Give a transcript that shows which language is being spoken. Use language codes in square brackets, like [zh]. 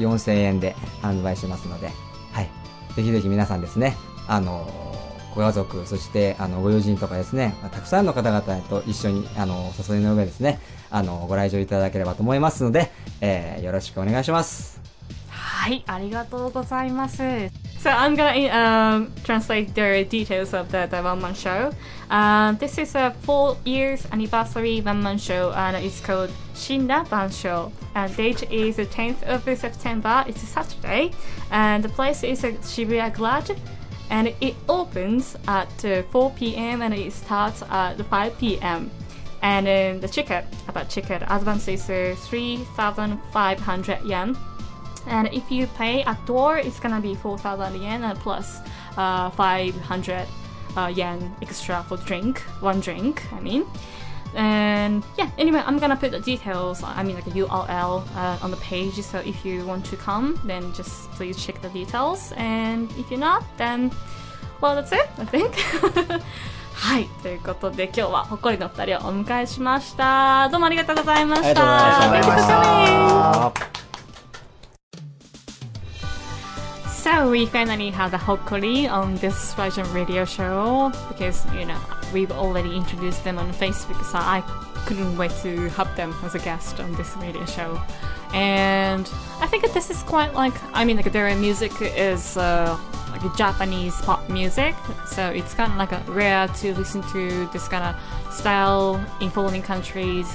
[ja] 4000円で販売しますので、はい、ぜひぜひ皆さんですね、ご家族、そしてあのご友人とかですね、たくさんの方々と一緒にあの誘いの上ですね、あのご来場いただければと思いますので、よろしくお願いします。はい、ありがとうございます。 [en] So I'm going to、translate the details of the one man show、This is a 4 years anniversary one man show and it's called 森羅万象 and date is the 10th of September, it's a Saturday and the place is Shibuya GLAD and it opens at 4 p.m. and it starts at 5 p.m. and the ticket, about ticket, advance is 3,500 yen, and if you pay at door it's gonna be 4,000 yen and plus 500 yen extra for drink, one drink, I mean. And yeah, anyway, I'm gonna put the details, I mean like a URL、on the page, so if you want to come then just please check the details, and if you're not then well that's it, I think. [ja] はい、ということで今日はほっこりの二人をお迎えしました。どうもありがとうございました。ありがとうございました。 [en] So we finally had a hokkori on this Russian radio show because, you know, we've already introduced them on Facebook, so I couldn't wait to have them as a guest on this radio show. And I think this is quite like, I mean, like their music is、like Japanese pop music, so it's kind of like a rare to listen to this kind of style in foreign countries.